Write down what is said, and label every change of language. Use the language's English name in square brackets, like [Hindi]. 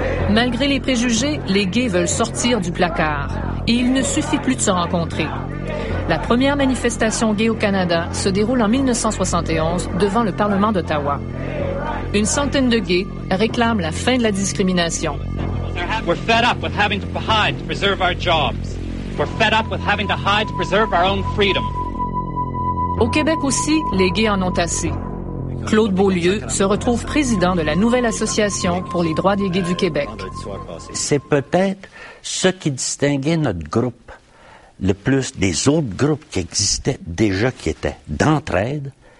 [French] Malgré les préjugés, les gays veulent sortir du placard, et il ne suffit plus de se rencontrer. La première manifestation gay au Canada se déroule en 1971 devant le Parlement d'Ottawa. Une centaine de gays réclament la fin de la discrimination. [English] We're fed up with having to hide to preserve our jobs. We're fed up with having to hide to preserve our own freedom. [French] Au Québec aussi, les gays en ont assez. Claude Beaulieu se retrouve président de la nouvelle association pour les droits des gays du Québec. C'est peut-être ce qui distinguait notre groupe le plus des autres groupes qui existaient déjà, qui étaient d'entraide.